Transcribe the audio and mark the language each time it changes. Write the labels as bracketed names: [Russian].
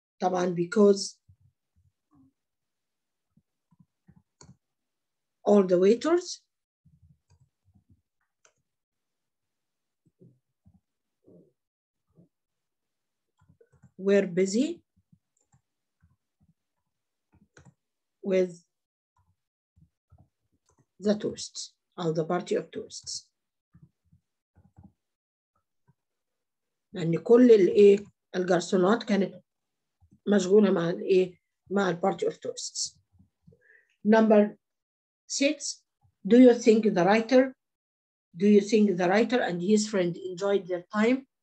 [Arabic] طبعا [English] because all the waiters were busy with the tourists, or the party of tourists. [Arabic] يعني كل الايه الجرسونات كانت مشغولة مع الايه مع ال [English] party of tourists. Number six, do you think the writer and his friend enjoyed their time?